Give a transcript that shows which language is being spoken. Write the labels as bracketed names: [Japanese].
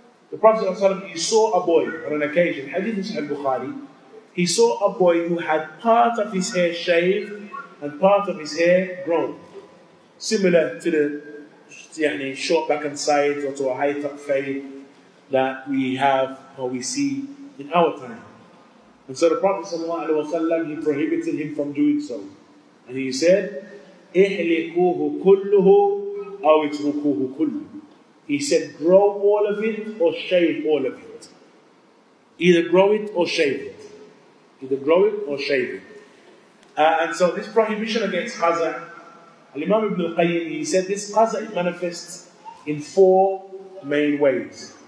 [English] The Prophet ﷺ, he saw a boy on an occasion, hadith in Sahih Bukhari, he saw a boy who had part of his hair shaved and part of his hair grown. Similar to the يعني, short back and sides or to a high top fade that we have or we see in our time. And so the Prophet ﷺ, he prohibited him from doing so. And he said, [Arabic] إِحْلِكُوهُ كُلُّهُ أَوْ إِتْرُكُوهُ كُلُّهُ. [English] He said, grow all of it or shave all of it. Either grow it or shave it. Either grow it or shave it. And so this prohibition against qaza, Al-Imam Ibn Al-Qayyim, he said this qaza, it manifests in four main ways.